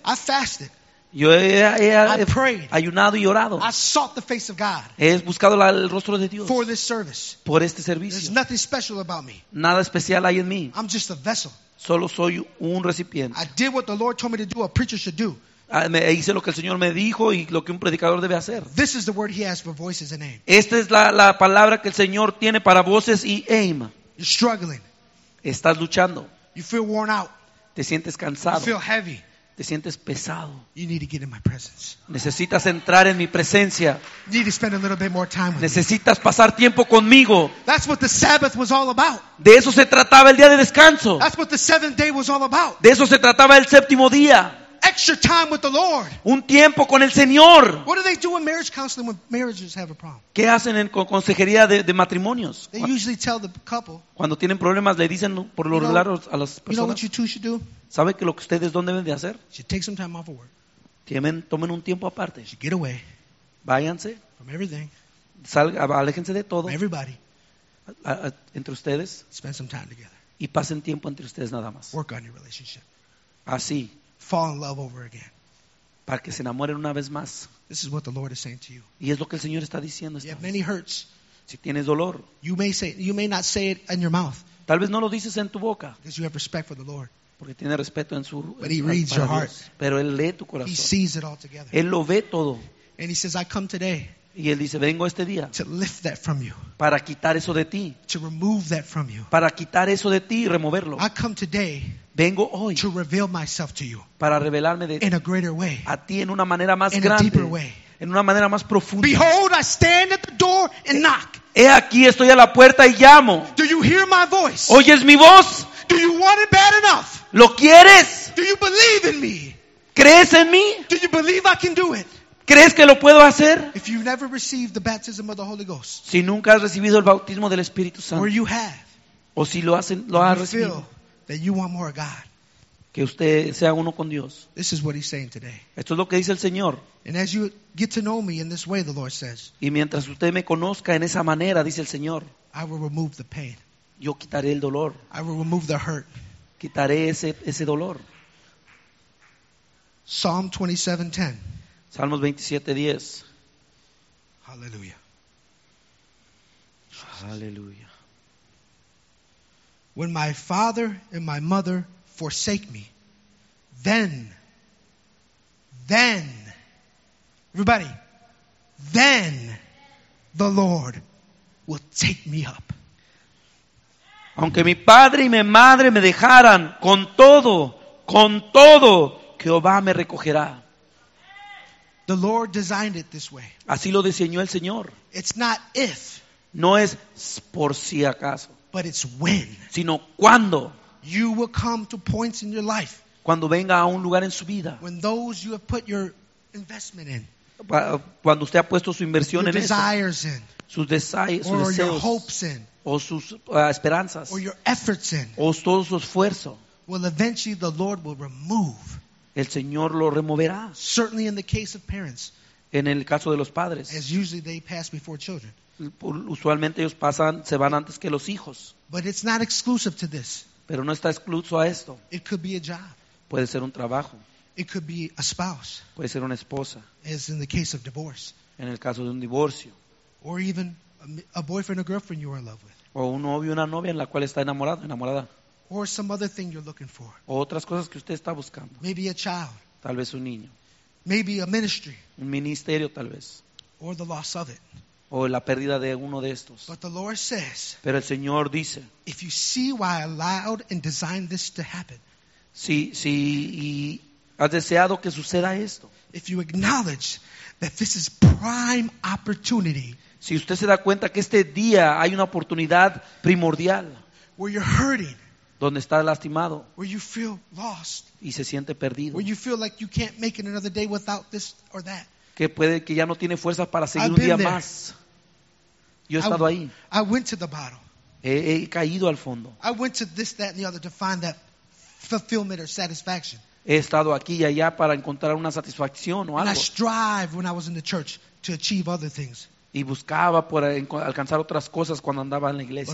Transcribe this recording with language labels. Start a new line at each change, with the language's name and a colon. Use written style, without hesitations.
English: I fasted.
Spanish: Yo he
English: prayed,
Spanish: ayunado y orado.
English: I sought the face of God.
Spanish: He buscado el rostro de Dios.
English: For this service.
Spanish: Por este servicio.
English: There's nothing special about me.
Spanish: Nada especial hay en mí.
English: I'm just a vessel.
Spanish: Solo soy un recipiente.
English: I did what the Lord told me to do, a preacher should do.
Spanish: Hice lo que el Señor me dijo y lo que un predicador debe hacer.
English: This is the word he has for voices and aim.
Spanish: Esta es la palabra que el Señor tiene para voces y aim.
English: You're struggling.
Spanish: Estás luchando.
English: You feel worn out.
Spanish: Te sientes cansado.
English: You feel heavy.
Spanish: Te sientes pesado.
English: You need to get in my presence.
Spanish: Necesitas entrar en mi presencia.
English: You need to spend a little bit more time with
Spanish: Necesitas pasar tiempo conmigo.
English: That's what the Sabbath was all about.
Spanish: De eso se trataba el día de descanso.
English: That's what the seventh day was all about.
Spanish: De eso se trataba el séptimo día.
English: Extra time with the Lord.
Spanish: Un tiempo con el Señor.
English: What do they do in marriage counseling when marriages have a problem?
Spanish: ¿Qué hacen en consejería de matrimonios?
English: They usually tell the couple.
Spanish: Cuando tienen problemas le dicen por lo regular a las personas.
English: You know what you two should do?
Spanish: ¿Sabe que lo que ustedes dónde deben de hacer?
English: You should take some time off of work.
Spanish: Tomen un tiempo aparte.
English: You should get away.
Spanish: Váyanse.
English: From everything.
Spanish: Aléjense de todo.
English: From everybody.
Spanish: Entre ustedes.
English: Spend some time together.
Spanish: Y pasen tiempo entre ustedes nada más.
English: Work on your relationship.
Spanish: Así.
English: Fall in love over again.
Spanish: Para que se enamoren una vez más.
English: This is what the Lord is saying to you.
Spanish: Y es lo que el Señor está diciendo.
English: You have many hurts.
Spanish: Si tienes dolor.
English: You may not say it in your mouth.
Spanish: Tal vez no lo dices en tu boca.
English: Because you have respect for the Lord.
Spanish: Porque tiene respeto en su.
English: But he reads your heart.
Spanish: Pero él lee tu corazón.
English: He sees it all together.
Spanish: Él lo ve todo.
English: And he says, "I come today."
Spanish: Y él dice, vengo este día.
English: To lift that from you.
Spanish: Para quitar eso de ti.
English: To remove that from you.
Spanish: Para quitar eso de ti y removerlo.
English: I come today.
Spanish: Vengo hoy
English: to reveal myself to you
Spanish: para revelarme de
English: in a greater way,
Spanish: a ti en una manera más
English: in
Spanish: grande,
English: a deeper way.
Spanish: En una manera más profunda.
English: Behold, I stand at the door and knock.
Spanish: He aquí, estoy a la puerta y llamo.
English: Do you hear my voice?
Spanish: ¿Oyes mi voz?
English: Do you want it bad enough?
Spanish: ¿Lo quieres?
English: Do you believe in me?
Spanish: ¿Crees en mí?
English: Do you believe I can do it?
Spanish: ¿Crees que lo puedo hacer?
English: If you've never received the baptism of the Holy Ghost,
Spanish: si nunca has recibido el bautismo del Espíritu Santo,
English: or you have,
Spanish: o si lo has recibido,
English: that you want more of God.
Spanish: Que usted sea uno con Dios.
English: This is what he's saying today.
Spanish: Esto es lo que dice el Señor.
English: And as you get to know me in this way, the Lord says,
Spanish: y mientras usted me conozca en esa manera, dice el Señor,
English: I will remove the pain.
Spanish: Yo quitaré el dolor.
English: I will remove the hurt.
Spanish: Quitaré ese dolor.
English: Psalm 27:10.
Spanish: Salmos 27:10.
English: Hallelujah. Hallelujah. When my father and my mother forsake me, then, everybody, then the Lord will take me up.
Spanish: Aunque mi padre y mi madre me dejaran, con todo, Jehová me recogerá.
English: The Lord designed it this way.
Spanish: Así lo diseñó el Señor.
English: It's not if.
Spanish: No es por si acaso.
English: But it's when.
Spanish: Sino cuando.
English: You will come to points in your life.
Spanish: Cuando venga a un lugar en su vida.
English: When those you have put your investment in.
Spanish: Cuando usted ha puesto su inversión
English: your
Spanish: en
English: desires
Spanish: eso.
English: In.
Spanish: Sus deseos.
English: Or your hopes in.
Spanish: O sus esperanzas.
English: Or your efforts in.
Spanish: O todo su esfuerzo.
English: Well, eventually the Lord will remove.
Spanish: El Señor lo removerá.
English: Certainly in the case of parents.
Spanish: En el caso de los padres.
English: As usually they pass before children.
Spanish: Usualmente ellos pasan, se van antes que los hijos.
English: But it's not exclusive to this.
Spanish: Pero no está excluso a esto.
English: It could be a job.
Spanish: Puede ser un trabajo.
English: It could be a spouse.
Spanish: Puede ser una esposa.
English: As in the case of divorce.
Spanish: En el caso de un divorcio.
English: Or even a boyfriend or girlfriend you are in love with.
Spanish: O un novio o una novia en la cual está enamorado, enamorada.
English: Or some other thing you're looking for.
Spanish: O otras cosas que usted está buscando.
English: Maybe a child.
Spanish: Tal vez un niño.
English: Maybe a ministry.
Spanish: Un ministerio tal vez.
English: Or the loss of it.
Spanish: O la pérdida de uno de estos.
English: But the Lord says,
Spanish: pero el Señor dice,
English: if you see why I allowed and designed this to happen,
Spanish: si y has deseado que suceda esto,
English: if you acknowledge that this is prime opportunity,
Spanish: si usted se da cuenta que este día hay una oportunidad primordial,
English: where you're hurting,
Spanish: donde está lastimado,
English: where you feel lost,
Spanish: y se siente perdido,
English: where you feel like you can't make it another day without this or that.
Spanish: Que ya no tiene fuerzas para seguir un día
English: there.
Spanish: Más. Yo he estado ahí.
English: I went to the bottom.
Spanish: He caído al fondo.
English: I went to this, that, and the other to find that fulfillment or satisfaction.
Spanish: He estado aquí y allá para encontrar una satisfacción o algo.
English: And I strive when I was in the church to achieve other things.
Spanish: Y buscaba por alcanzar otras cosas cuando andaba en la iglesia.